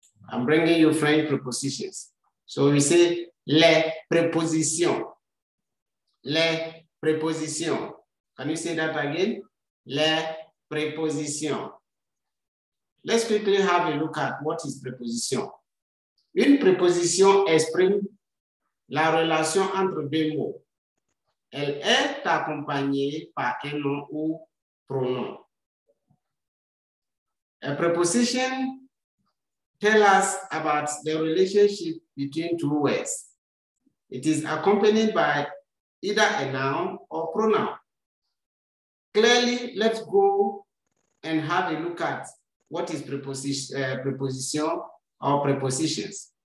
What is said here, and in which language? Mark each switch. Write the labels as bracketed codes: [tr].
[en] I'm bringing you French prepositions. So we say [fr] les prépositions. Les prépositions. [en] Can you say that again? [fr] Les prépositions. [en] Let's quickly have a look at what is préposition. [fr] Une préposition exprime la relation entre deux mots. Elle est accompagnée par un nom ou pronom. [en] A preposition tells us about the relationship between two words. It is accompanied by either a noun or pronoun. Clearly, let's go and have a look at what is preposition or prepositions.